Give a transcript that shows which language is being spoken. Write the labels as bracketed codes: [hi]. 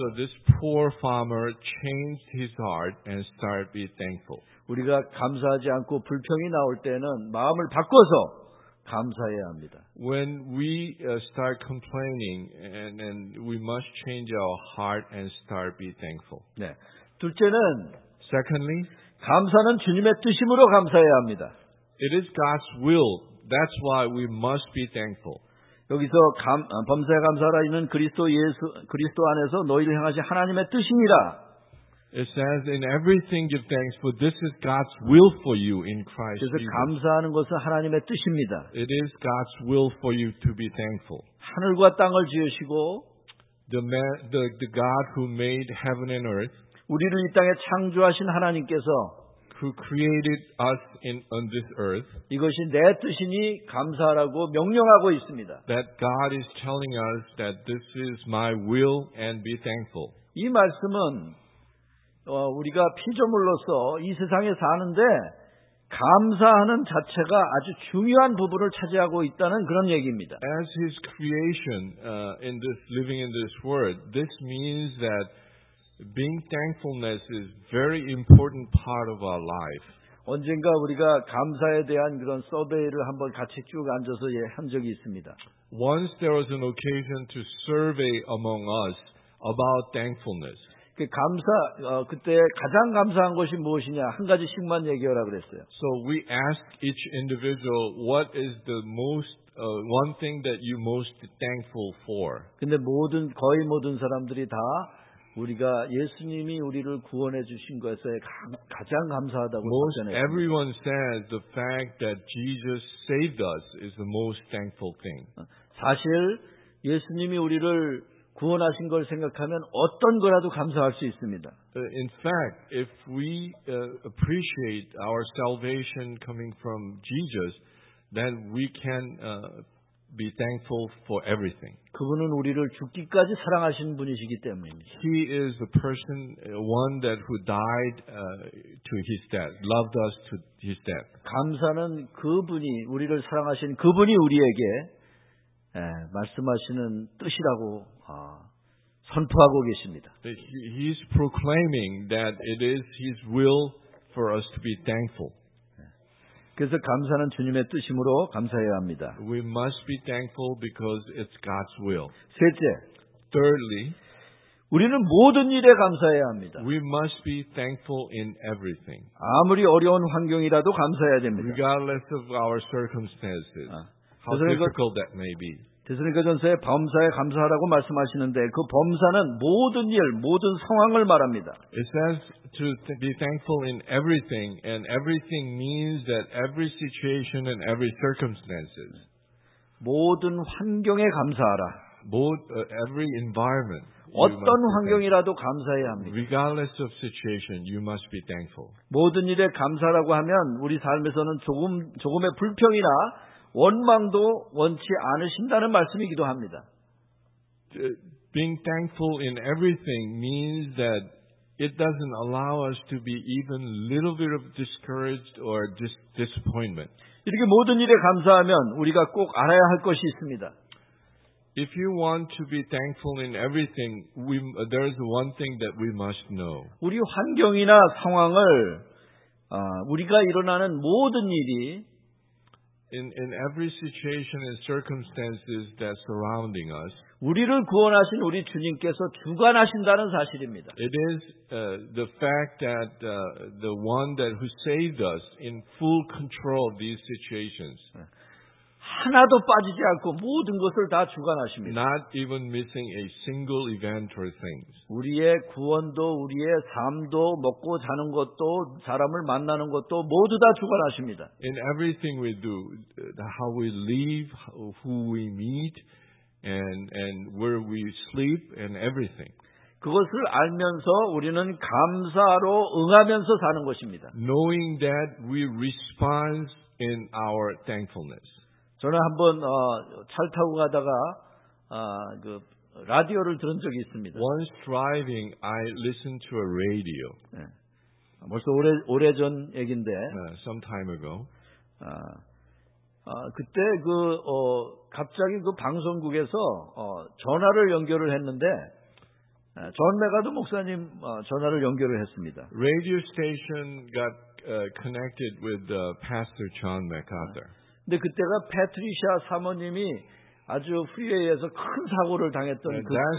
[en] So this poor farmer changed his heart and started being thankful. [ko] 우리가 감사하지 않고 불평이 나올 때는 마음을 바꿔서 감사해야 합니다. [en] When we start complaining and we must change our heart and start being thankful. [ko] 네. 둘째는 [en] Secondly, [ko] 감사는 주님의 뜻임으로 감사해야 합니다. [en] It is God's will. That's why we must be thankful. [ko] 여기서 범사에 감사하라 이는 그리스도 예수 그리스도 안에서 너희를 향하신 하나님의 뜻이니라. [en] It says in everything give thanks for this is God's will for you in Christ Jesus. [ko] 그래서 감사하는 것은 하나님의 뜻입니다. [en] It is God's will for you to be thankful. [ko] 하늘과 땅을 지으시고 [en] the God who made heaven and earth [ko] 우리를 이 땅에 창조하신 하나님께서 [en] Who created us on this earth? [ko] 이것이 내 뜻이니 감사하라고 명령하고 있습니다. [en] That God is telling us that this is my will and be thankful. [ko] 이 말씀은 우리가 피조물로서 이 세상에 사는데 감사하는 자체가 아주 중요한 부분을 차지하고 있다는 그런 얘기입니다. [en] As His creation in this living in this world, this means that. Being thankfulness is very important part of our life. [ko] 언젠가 우리가 감사에 대한 그런 서베이를 한번 같이 쭉 앉아서 한 적이 있습니다. [en] Once there was an occasion to survey among us about thankfulness. [ko] 그때 가장 감사한 것이 무엇이냐 한 가지씩만 얘기하라 그랬어요. [en] So we asked each individual what is the most one thing that you most thankful for. [ko] 근데 거의 모든 사람들이 다 우리가 예수님이 우리를 구원해 주신 것에 가장 감사하다고 하잖아요. [en] Everyone says the fact that Jesus saved us is the most thankful thing. [ko] 사실 예수님이 우리를 구원하신 걸 생각하면 어떤 거라도 감사할 수 있습니다. [en] In fact, if we appreciate our salvation coming from Jesus, then we can be thankful for everything. [ko] 그분은 우리를 죽기까지 사랑하신 분이시기 때문입니다. [en] He is the person, one that who died to his death, loved us to his death. [ko] 감사는 그분이 우리를 사랑하신 그분이 우리에게 말씀하시는 뜻이라고 선포하고 계십니다. [en] He is proclaiming that it is his will for us to be thankful. [ko] 그래서 감사는 주님의 뜻이므로 감사해야 합니다. [en] We must be thankful because it's God's will. [ko] 셋째, [en] Thirdly, [ko] 우리는 모든 일에 감사해야 합니다. [en] We must be thankful in everything. [ko] 아무리 어려운 환경이라도 감사해야 됩니다. [en] Regardless of our circumstances, how difficult that may be. [ko] 데살로니가전서에 범사에 감사하라고 말씀하시는데 그 범사는 모든 일, 모든 상황을 말합니다. [en] It says to be thankful in everything, and everything means that every situation and every circumstances. [ko] 모든 환경에 감사하라. [en] Every environment. [ko] 어떤 환경이라도 감사해야 합니다. [en] Regardless of situation, you must be thankful. [ko] 모든 일에 감사라고 하면 우리 삶에서는 조금의 불평이나 원망도 원치 않으신다는 말씀이기도 합니다. [en] Being thankful in everything means that it doesn't allow us to be even a little bit of discouraged or disappointment. [ko] 이렇게 모든 일에 감사하면 우리가 꼭 알아야 할 것이 있습니다. [en] If you want to be thankful in everything, there is one thing that we must know. [ko] 우리 환경이나 상황을 우리가 일어나는 모든 일이 [en] In every situation and circumstances that surrounding us, [ko] 우리를 구원하신 우리 주님께서 주관하신다는 사실입니다. [en] It is the fact that the one that who saved us in full control of these situations. [ko] 하나도 빠지지 않고 모든 것을 다 주관하십니다. [en] Not even missing a single event or things. [ko] 우리의 구원도 우리의 삶도 먹고 자는 것도 사람을 만나는 것도 모두 다 주관하십니다. [en] In everything we do, how we live, who we meet, and where we sleep, and everything. [ko] 그것을 알면서 우리는 감사로 응하면서 사는 것입니다. [en] Knowing that, we respond in our thankfulness. [ko] 저는 한번 차를 타고 가다가 그 라디오를 들은 적이 있습니다. [en] Once driving, I listened to a radio. [ko] 네. 벌써 오래 전 얘긴데. [en] Some time ago. [ko] 그때 그 갑자기 그 방송국에서 전화를 연결을 했는데 존 메가드 목사님 전화를 연결을 했습니다. [en] Radio station got connected with Pastor John MacArthur. [ko] 근데 그때가 패트리샤 사모님이 아주 프리웨이에서 큰 사고를 당했던 그